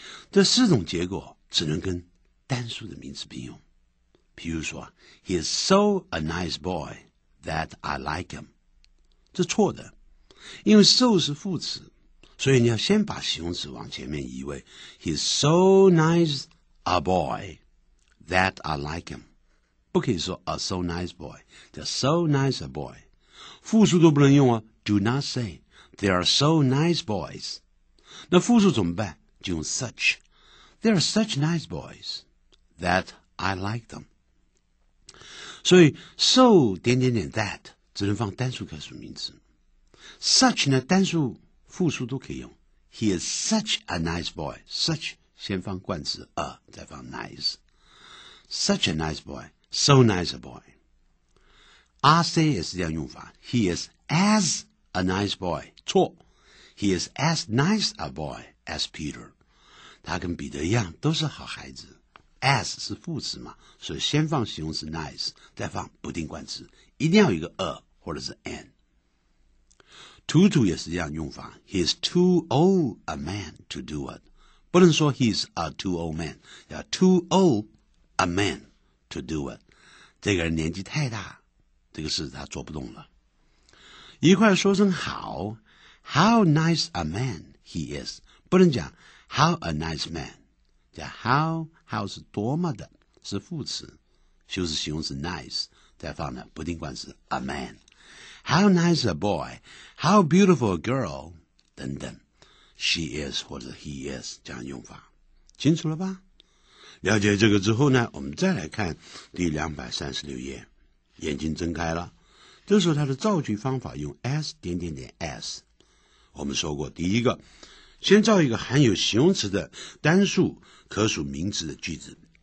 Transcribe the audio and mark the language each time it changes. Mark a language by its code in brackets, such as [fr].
[zh] 这四种结果只能跟单数的名词并用，比如说 [en] He is so a nice boy that I like him， [zh] 这错的，因为 so 是副词，所以你要先把形容词往前面移位。 [en] He is so nice a boy that I like him， [zh] 不可以说 [en] a so nice boy， 叫 so nice a boy， [zh] 复数都不能用啊。 [en] Do not say there are so nice boys， [zh] 那复数怎么办，就用 [en] such， There are such nice boys that I like them。 [zh] 所以 so 点点点 that 只能放单数可数名词， such 呢单数复数都可以用。 [en] He is such a nice boy， such [zh] 先放冠词 [en] a 再放 nice， such a nice boy， so nice a boy。 [zh] RC 也是这样用法， [en] He is as a nice boy， 错， He is as nice a boyAs Peter， [zh] 他跟彼得一样都是好孩子。 As 是副词嘛，所以先放形容词 nice， 再放不定冠词，一定要有一个 a 或者是 an。 [en] Tutu [zh] 也是这样用法 [en] ，He is too old a man to do it， 不能说 He is a too old man， 要 too old a man to do it， [zh] 这个人年纪太大，这个事他做不动了。一块说声好 ， [en] How nice a man he is。 [zh] 不能讲 [en] how a nice man， [zh] 讲 how 是多么的，是副词，修饰形容词 nice， 再放了不定冠词 a man， [en] how nice a boy， how beautiful a girl， [zh] 等等， she is 或者 he is 这样用法，清楚了吧？了解这个之后呢，我们再来看第236页，眼睛睁开了，这时候它的造句方法用 s 点点点 s， 我们说过第一个，先造一个含有形容词的单数可数名词的句子。